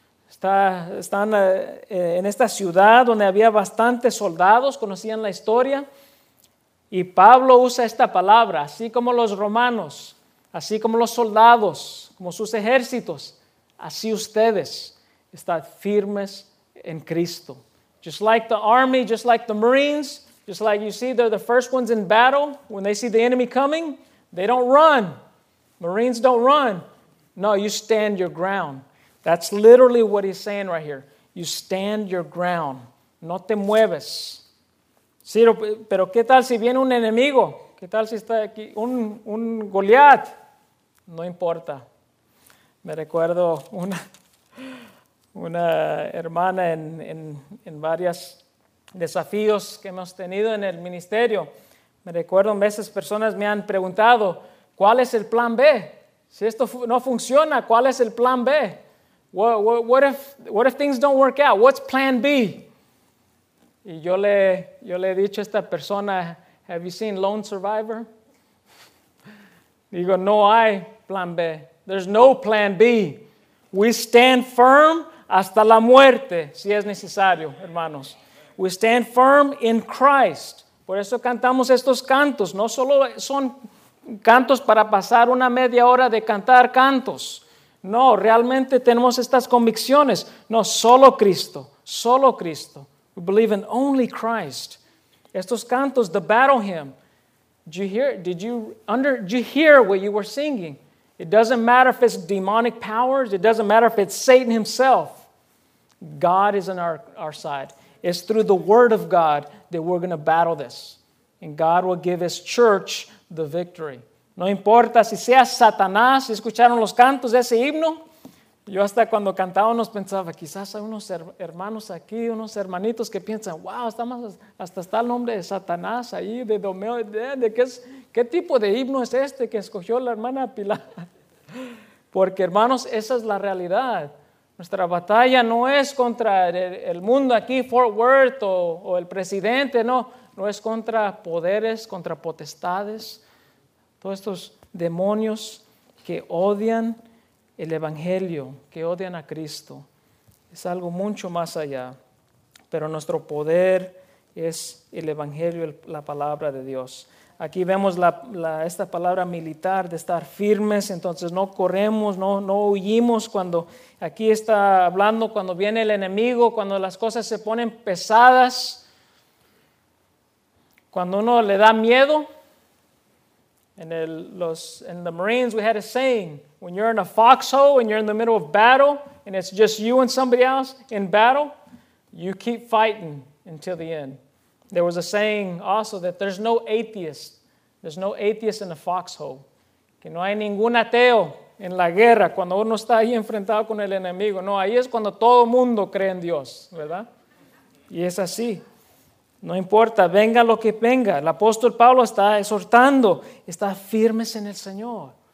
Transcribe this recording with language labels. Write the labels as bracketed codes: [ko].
[es] Están en esta ciudad donde había bastantes soldados, conocían la historia. Y Pablo usa esta palabra, así como los romanos, así como los soldados, como sus ejércitos, así ustedes, están firmes en Cristo. [en] Just like the army, just like the marines, just like you see, they're the first ones in battle. When they see the enemy coming, they don't run. Marines don't run. No, you stand your ground. That's literally what he's saying right here. You stand your ground. [es] No te mueves. Sí, pero ¿qué tal si viene un enemigo? ¿Qué tal si está aquí un Goliat? No importa. Me recuerdo una hermana en varias desafíos que hemos tenido en el ministerio. Me recuerdo a veces personas me han preguntado, ¿cuál es el plan B? Si esto no funciona, ¿cuál es el plan B? [en] What if things don't work out? What's plan B? [es] Y yo le he dicho a esta persona, [en] have you seen Lone Survivor? [es] Digo, no hay plan B. [en] There's no plan B. We stand firm [es] hasta la muerte, si es necesario, hermanos. [en] We stand firm in Christ. [es] Por eso cantamos estos cantos. No solo son cantos para pasar una media hora de cantar cantos. No, realmente tenemos estas convicciones. No, solo Cristo. Solo Cristo. [en] We believe in only Christ. [es] Estos cantos, [en] the battle hymn. Did you hear what you were singing? It doesn't matter if it's demonic powers. It doesn't matter if it's Satan himself. God is on our side. It's through the word of God that we're going to battle this. And God will give his church the victory. [es] No importa si sea Satanás. Si escucharon los cantos de ese himno. Yo hasta cuando cantaba nos pensaba, quizás hay unos hermanos aquí, unos hermanitos que piensan, wow, estamos hasta está el nombre de Satanás ahí, de Domeo, ¿qué tipo de himno es este que escogió la hermana Pilar? Porque hermanos, esa es la realidad. Nuestra batalla no es contra el mundo aquí, Fort Worth o el presidente, no. No es contra poderes, contra potestades, todos estos demonios que odian el Evangelio, que odian a Cristo. Es algo mucho más allá. Pero nuestro poder es el Evangelio, la palabra de Dios. Aquí vemos esta palabra militar de estar firmes. Entonces no corremos, no huimos. Cuando aquí está hablando, cuando viene el enemigo, cuando las cosas se ponen pesadas, cuando uno le da miedo. [en] In the Marines, we had a saying, when you're in a foxhole and you're in the middle of battle and it's just you and somebody else in battle, you keep fighting until the end. There was a saying also that there's no atheist. There's no atheist in a foxhole. [es] Que no hay ningún ateo en la guerra cuando uno está ahí enfrentado con el enemigo. No, ahí es cuando todo mundo cree en Dios, ¿verdad? Y es así. No importa, venga lo que venga. El apóstol Pablo está exhortando, está firmes en el Señor.